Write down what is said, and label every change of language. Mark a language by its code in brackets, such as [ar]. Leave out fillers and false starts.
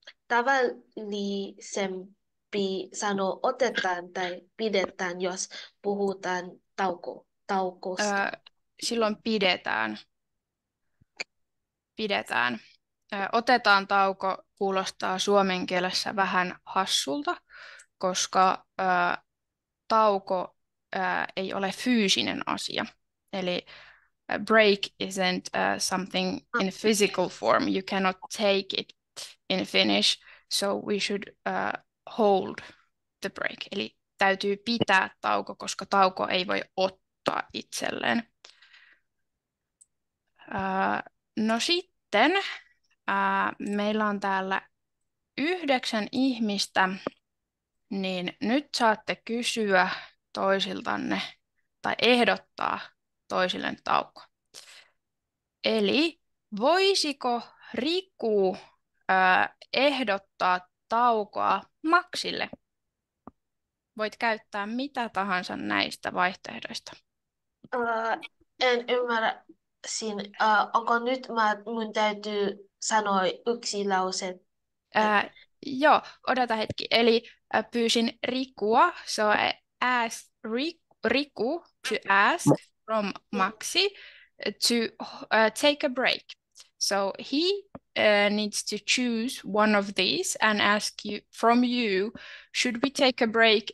[fi] tavallisempi sanoa otetaan tai pidetään, jos puhutaan taukosta? Silloin pidetään. Pidetään. Otetaan tauko kuulostaa suomen kielessä vähän hassulta, koska tauko ei ole fyysinen asia. [en] Eli break isn't something in physical form. You cannot take it in Finnish, so we should hold the break. [fi] Eli täytyy pitää tauko, koska tauko ei voi ottaa itselleen. No sitten meillä on täällä 9 ihmistä, niin nyt saatte kysyä toisiltanne tai ehdottaa toisille tauko. Eli voisiko Riku ehdottaa taukoa Maxille? Voit käyttää mitä tahansa näistä vaihtoehdoista. En ymmärrä siinä. Onko nyt mun täytyy sanoa yksi lause? Joo, odota hetki. Eli pyysin Rikua. [en] So I asked Riku to ask from Maxi to take a break. So he needs to choose one of these and ask you from you, should we take a break?